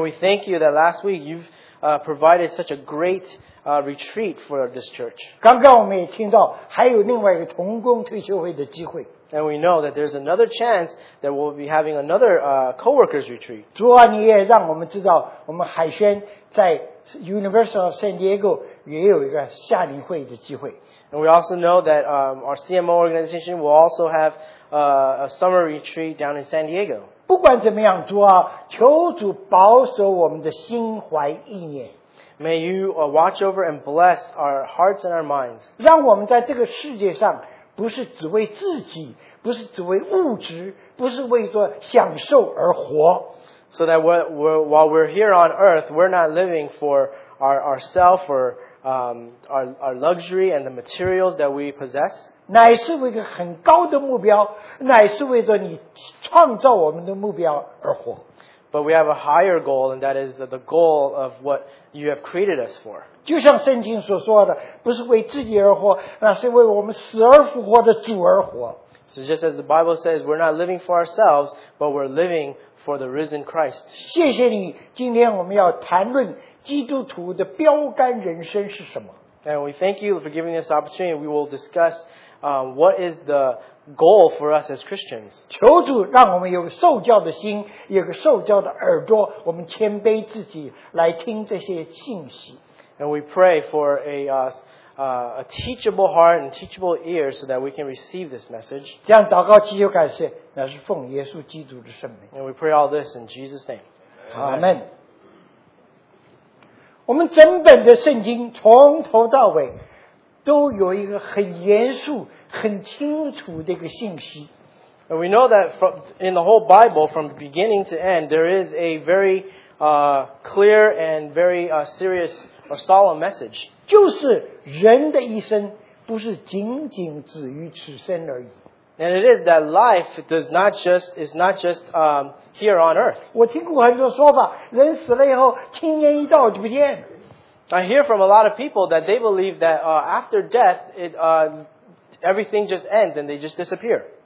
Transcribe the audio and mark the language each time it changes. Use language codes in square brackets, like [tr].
[en] we thank You that last week You've provided such a great retreat for this church. [zh] 刚刚我们也听到还有另外一个同工退休会的机会。 [en] And we know that there's another chance that we'll be having another co-workers retreat. [zh] 主啊，你也让我们知道我们海轩在 University of San Diego. [en] And we also know that our CMO organization will also have a summer retreat down in San Diego. [zh] 不管怎么样，主啊，求主保守我们的心怀意念。 [en] May you watch over and bless our hearts and our minds. [zh] 让我们在这个世界上不是只为自己，不是只为物质，不是为着享受而活。 [en] So that while we're here on earth, we're not living for ourselves or our luxury and the materials that we possess. [zh] 乃是为一个很高的目标, 乃是为着你创造我们的目标而活。 [en] But we have a higher goal, and that is the goal of what you have created us for. [zh] 就像圣经所说的，不是为自己而活，那是为我们死而复活的主而活。 [en] So just as the Bible says, we're not living for ourselves, but we're living for the risen Christ. [zh] 谢谢你，今天我们要谈论基督徒的标杆人生是什么。 [en] And we thank you for giving this opportunity. We will discuss what is the goal for us as Christians. [zh] 求主让我们有受教的心，有个受教的耳朵，我们谦卑自己来听这些信息。 [en] And we pray for a teachable heart and teachable ears so that we can receive this message. [zh] 这样祷告祈求感谢，那是奉耶稣基督的圣名。 [en] And we pray all this in Jesus' name. Amen. [zh] 我们整本的圣经从头到尾都有一个很严肃、很清楚的一个信息。 [en] And we know that from, in the whole Bible, from beginning to end, there is a very clear and very serious or solemn message. [zh] 就是人的一生不是仅仅止于此生而已。 [en] And it is that life does not just, is not just here on earth. [zh] 我听过很多说法，人死了以后，青烟一道就不见。 [en] I hear from a lot of people that they believe that after death, everything just ends and they just disappear.